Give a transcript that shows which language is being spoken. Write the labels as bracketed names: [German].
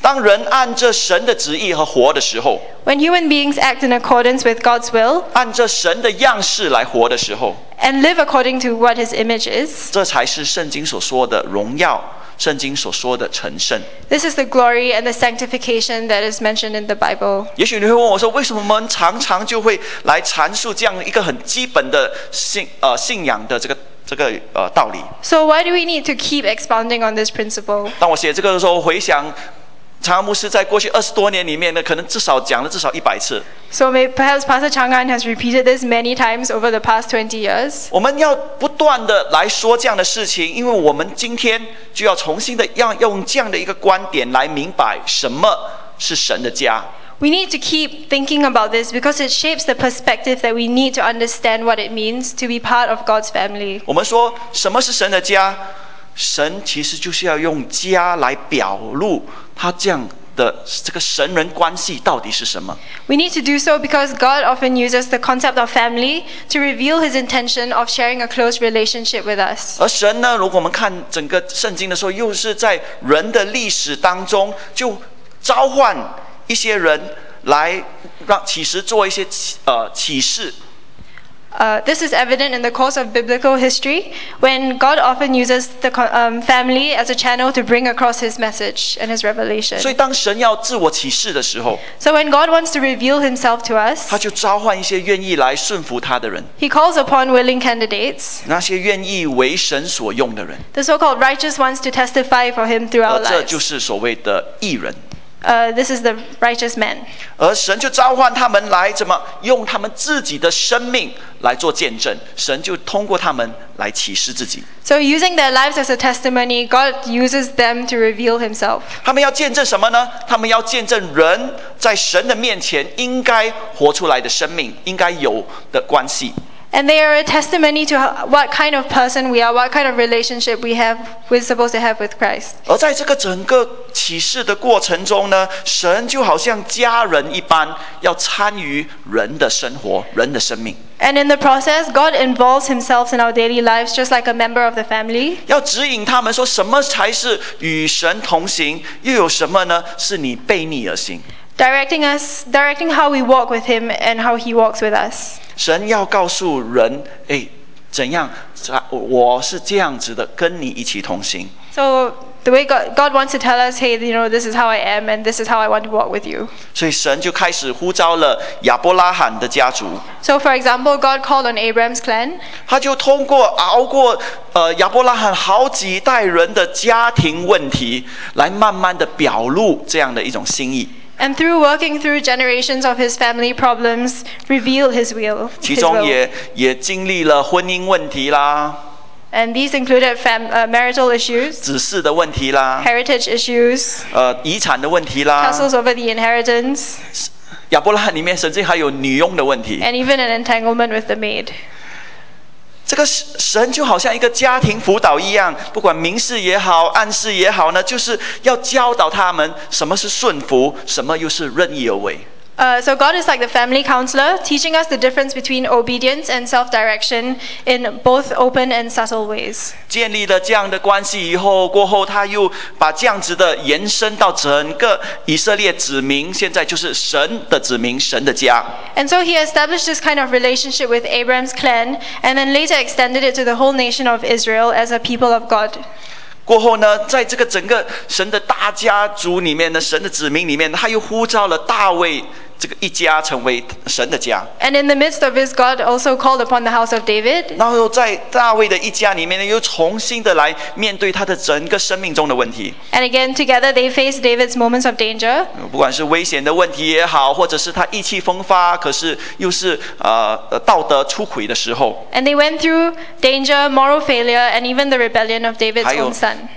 [Chinese] 当人按着神的旨意和活的时候， [English] When human beings act in accordance with God's will, [Chinese] 按着神的样式来活的时候， [English] And live according to what his image is, [Chinese] 这才是圣经所说的荣耀，圣经所说的成圣。 [English] This is the glory and the sanctification that is mentioned in the Bible. [Chinese] 也许你会问我说，为什么我们常常就会来阐述这样一个很基本的 信仰的这个道理？ [English] So why do we need to keep expounding on this principle? [Chinese] 当我写这个的时候，回想长安牧师在过去二十多年里面呢，可能至少讲了至少一百次。 [English] So perhaps Pastor Chang An has repeated this many times over the past 20 years. [Chinese] 我们要不断的来说这样的事情，因为我们今天就要重新的要用这样的一个观点来明白什么是神的家。 [English] We need to keep thinking about this because it shapes the perspective that we need to understand what it means to be part of God's family. [Chinese] 我们说什么是神的家？神其实就是要用家来表露他这样的这个神人关系到底是什么。 [English] We need to do so because God often uses the concept of family to reveal his intention of sharing a close relationship with us. [Chinese] 而神呢，如果我们看整个圣经的时候，又是在人的历史当中就召唤一些人来让启示做一些启示。 [English] This is evident in the course of biblical history when God often uses the family as a channel to bring across his message and his revelation. [Chinese] 所以当神要自我启示的时候， [English] So when God wants to reveal himself to us, [Chinese] 他就召唤一些愿意来顺服他的人。 [English] He calls upon willing candidates, [Chinese] 那些愿意为神所用的人。 [English] The so-called righteous ones to testify for him through our lives. [Chinese] 而这就是所谓的义人。 [English] This is the righteous man. [Chinese] 而神就召唤他们来怎么用他们自己的生命来做见证，神就通过他们来启示自己。 [English] So using their lives as a testimony, God uses them to reveal himself. [Chinese] 他们要见证什么呢？他们要见证人在神的面前应该活出来的生命，应该有的关系。 [English] And they are a testimony to what kind of person we are, what kind of relationship we're supposed to have with Christ. [Chinese] 而在这个整个启示的过程中呢，神就好像家人一般，要参与人的生活，人的生命。 [English] And in the process, God involves himself in our daily lives just like a member of the family. [Chinese] 要指引他们说什么才是与神同行，又有什么呢，是你背逆而行。 [English] Directing how we walk with him and how he walks with us. [Chinese] 神要告诉人，怎样，我是这样子的，跟你一起同行。 [English] So The way God wants to tell us, hey, you know, this is how I am, and this is how I want to walk with you. [Chinese] 所以神就开始呼召了亚伯拉罕的家族。 [English] So for example, God called on Abraham's clan. [Chinese] 他就通过熬过亚伯拉罕好几代人的家庭问题，来慢慢的表露这样的一种心意。 [English] And through working through generations of his family problems, revealed his will. [Chinese] 其中也经历了婚姻问题啦。 [English] And these included marital issues, [Chinese] 子嗣的问题啦, [English] heritage issues, [Chinese] 遗产的问题啦, [English] tussles over the inheritance, [Chinese] 亚伯拉罕里面甚至还有女佣的问题, [English] and even an entanglement with the maid. [Chinese] 这个神就好像一个家庭辅导一样, 不管明示也好, 暗示也好呢, 就是要教导他们什么是顺服, 什么又是任意而为。 [English] So God is like the family counselor, teaching us the difference between obedience and self-direction in both open and subtle ways. [Chinese] 建立了这样的关系以后，过后他又把这样子的延伸到整个以色列子民，现在就是神的子民，神的家。 [English] And so he established this kind of relationship with Abraham's clan, and then later extended it to the whole nation of Israel as a people of God. [Chinese] 过后呢，在这个整个神的大家族里面呢，神的子民里面，他又呼召了大卫这个一家成为神的家。 [English] And in the midst of this, God also called upon the house of David. [Chinese] 然后在大卫的一家里面呢，又重新的来面对他的整个生命中的问题。 [English] And again, together they faced David's moments of danger. [Chinese] 不管是危险的问题也好，或者是他意气风发，可是又是道德出轨的时候。 [English] And they went through danger, moral failure, and even the rebellion of David's own son.